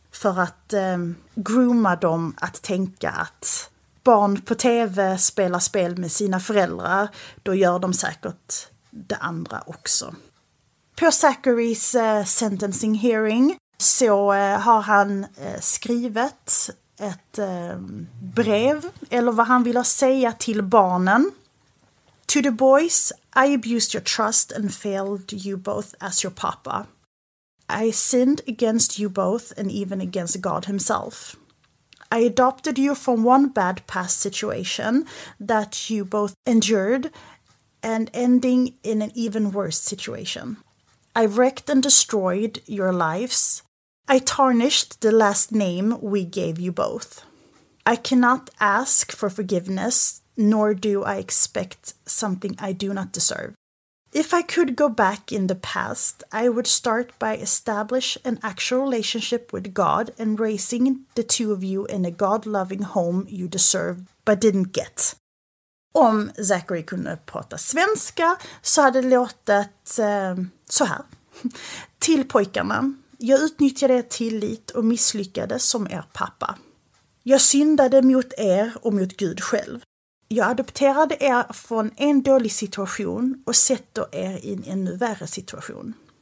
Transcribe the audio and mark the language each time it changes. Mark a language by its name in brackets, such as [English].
[Swedish] För att grooma dem att tänka att barn på tv spelar spel med sina föräldrar. Då gör de säkert det andra också. På Zacharys sentencing hearing så har han skrivit ett brev eller vad han vill säga till barnen. [English] To the boys, I abused your trust and failed you both as your papa. I sinned against you both and even against God himself. I adopted you from one bad past situation that you both endured and ending in an even worse situation. I wrecked and destroyed your lives. I tarnished the last name we gave you both. I cannot ask for forgiveness, nor do I expect something I do not deserve. If I could go back in the past, I would start by establishing an actual relationship with God and raising the two of you in a God-loving home you deserve but didn't get. [Swedish] Om Zachary kunde prata svenska så hade det låtit så här. Till pojkarna. Jag utnyttjade er tillit och misslyckades som er pappa. Jag syndade mot er och mot Gud själv. Jag adopterade er från en dålig situation och sätter er i en ännu värre situation.